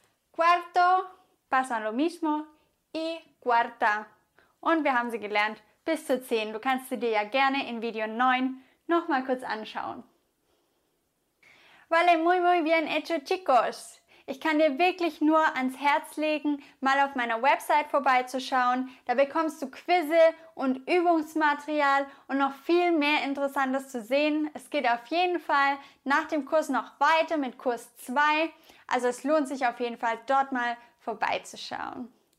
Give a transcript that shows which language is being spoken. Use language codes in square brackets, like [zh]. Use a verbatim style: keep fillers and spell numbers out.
[es] Cuarto, pasa lo mismo, y cuarta. [de] Und wir haben sie gelernt bis zur zehn. Du kannst sie dir ja gerne in Video neun nochmal kurz anschauen. [es] Vale, muy muy bien hecho, chicos. [de] Ich kann dir wirklich nur ans Herz legen, mal auf meiner Website vorbeizuschauen. Da bekommst du Quizze und Übungsmaterial und noch viel mehr Interessantes zu sehen. Es geht auf jeden Fall nach dem Kurs noch weiter mit Kurs zwei. Also es lohnt sich auf jeden Fall, dort mal vorbeizuschauen.